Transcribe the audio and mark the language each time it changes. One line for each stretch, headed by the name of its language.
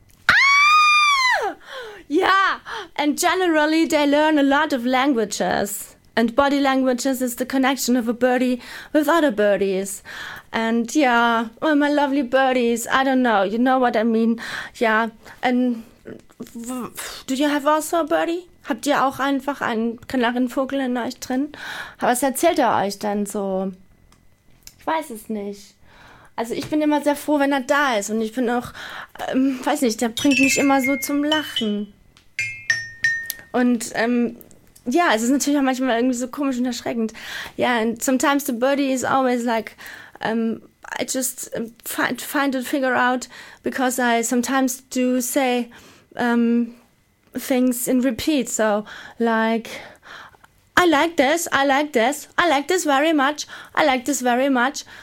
English: Ah! Yeah, and generally they learn a lot of languages, and body languages is the connection of a birdie with other birdies. And yeah, oh, my lovely birdies, I don't know, you know what I mean. Yeah, and do you have also a birdie?
German: Habt ihr auch einfach einen Kanarienvogel in euch drin? Was erzählt euch denn so? Ich weiß es nicht. Also ich bin immer sehr froh, wenn da ist. Und ich bin auch, weiß nicht, der bringt mich immer so zum Lachen. Und es ist natürlich auch manchmal irgendwie so komisch und erschreckend. Ja,
English: yeah, and sometimes the birdie is always like, I just find it, figure out, because I sometimes do say things in repeat. So, like, I like this, I like this, I like this very much, I like this very much.